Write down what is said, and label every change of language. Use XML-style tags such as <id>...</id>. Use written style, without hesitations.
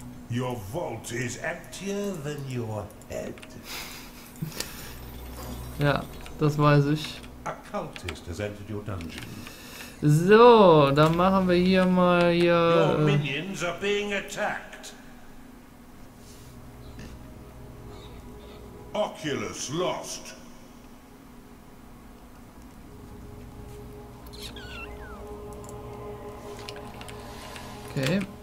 <en>Your vault is emptier than your head.</en> <de>Ja, das weiß ich.</de> <en>A cultist has entered your dungeon.</en> <de>So, dann machen wir hier mal hier.</de> <en>Your minions are being attacked. Oculus lost. Okay.</en>